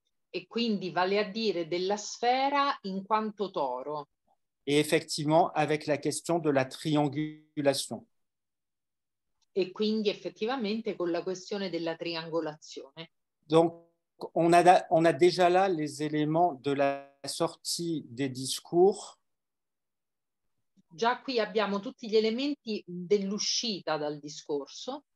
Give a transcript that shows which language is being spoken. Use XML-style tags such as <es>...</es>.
<it>E quindi vale a dire della sfera in quanto toro.</it> <fr>E effectivement avec la question de la triangulation.</fr> <it>E quindi effettivamente con la questione della triangolazione.</it> <fr>Donc on a déjà là les éléments de la sortie des discours.</fr> <it>Già qui abbiamo tutti gli elementi dell'uscita dal discorso.</it>